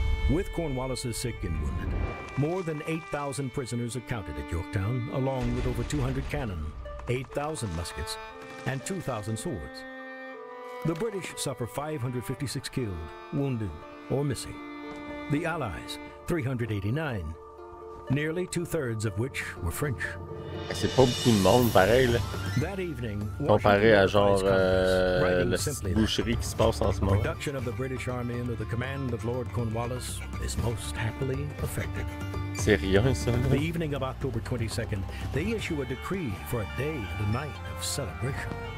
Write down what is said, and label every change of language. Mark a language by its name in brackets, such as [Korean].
[English] With Cornwallis's sick and wounded, more than 8,000 prisoners are counted at Yorktown, along with over 200 cannon, 8,000 muskets, and 2,000 swords. The British suffer 556 killed, wounded, or missing. The Allies, 389, nearly two-thirds of which were French. [French] C'est pas beaucoup de monde, pareil, là. [English] That evening, [French] comparé à genre la boucherie qui se passe en ce moment. [English] Production of the British Army under the command of Lord Cornwallis is most happily affected. [French] C'est rien, ça. Là. [English] The evening of October 22nd, they issue a decree for a day and a night of celebration.